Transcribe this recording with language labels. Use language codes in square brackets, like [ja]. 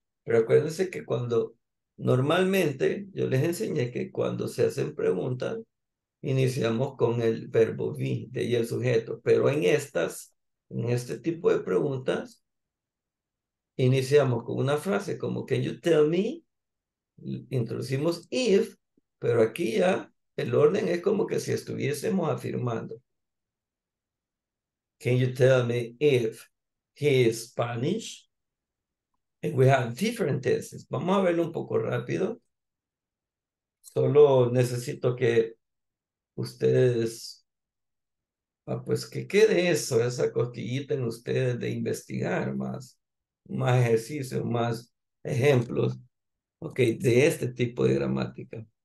[es] Pero acuérdense que cuando normalmente yo les enseñé que cuando se hacen preguntas, iniciamos con el verbo be, de ahí el sujeto. Pero en este tipo de preguntas, iniciamos con una frase como [en] can you tell me? [es] Introducimos if, pero aquí ya el orden es como que si estuviésemos afirmando. [en] Can you tell me if he is Spanish? And we have different tenses. [es] Vamos a verlo un poco rápido. Solo necesito que ustedes, pues que quede eso, esa cosquillita en ustedes de investigar más ejercicios, más ejemplos, okay, de este tipo de gramática.